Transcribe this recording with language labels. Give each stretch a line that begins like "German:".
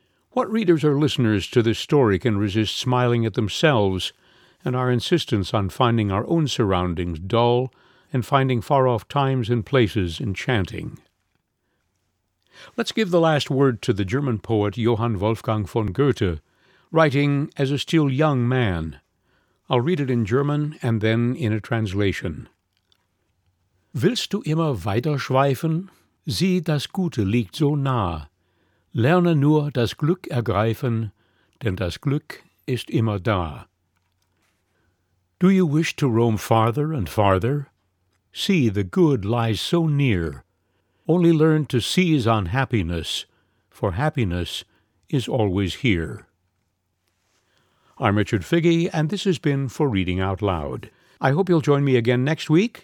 English: What readers or listeners to this story can resist smiling at themselves and our insistence on finding our own surroundings dull and finding far-off times and places enchanting? Let's give the last word to the German poet Johann Wolfgang von Goethe, writing as a still young man. I'll read it in German and then in a translation.
German: Willst du immer weiterschweifen? Sieh, das Gute liegt so nah. Lerne nur das Glück ergreifen, denn das Glück ist immer da.
English: Do you wish to roam farther and farther? See, the good lies so near. Only learn to seize on happiness, for happiness is always here. I'm Richard Figge, and this has been For Reading Out Loud. I hope you'll join me again next week.